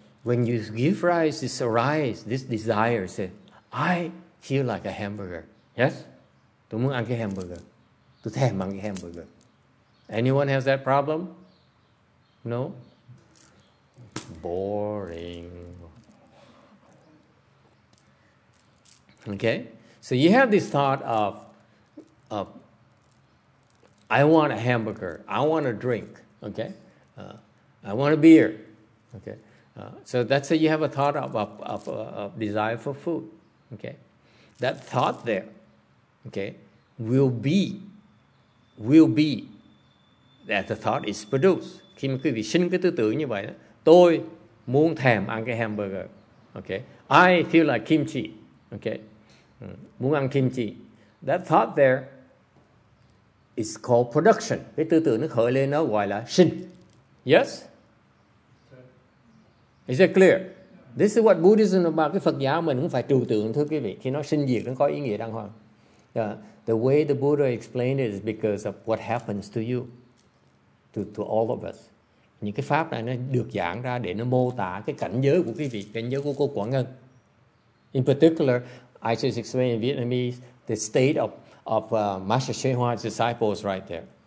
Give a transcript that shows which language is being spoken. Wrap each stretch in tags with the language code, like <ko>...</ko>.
<en>When you give rise, this arise, this desire, say, I feel like a hamburger. Yes?</en> <vi>Tôi muốn ăn cái hamburger. Tôi thèm ăn cái hamburger.</vi> <en>Anyone has that problem? No? Boring. Okay? So you have this thought of I want a hamburger. I want a drink. Okay? I want a beer. Okay? So that's how you have a thought of desire for food. Okay? That thought there, okay, will be that the thought is produced.</en> <vi>Khi mà quý vị sinh cái tư tưởng như vậy, tôi muốn thèm ăn cái hamburger.</vi> <en>Okay? I feel like kimchi. Okay?</en> <vi>Muốn ăn kimchi.</vi> <en>That thought there is called production.</en> <vi>Cái tư tưởng nó khởi lên nó gọi là sinh. Yes?</vi> <en>Is that clear? This is what Buddhism is about.</en> <vi>Cái Phật giáo mình cũng phải trừu tượng thưa quý vị. Khi nó sinh diệt, nó có ý nghĩa đàng hoàng.</vi> <en>The way the Buddha explained it is because of what happens to you, to all of us.</en> <vi>Những cái pháp này nó được giảng ra để nó mô tả cái cảnh giới của quý vị, cảnh giới của cô Quả Ngân.</vi> <en>In particular, I just explained in Vietnamese, the state of Master Xuân Hoa's disciples right there.</en>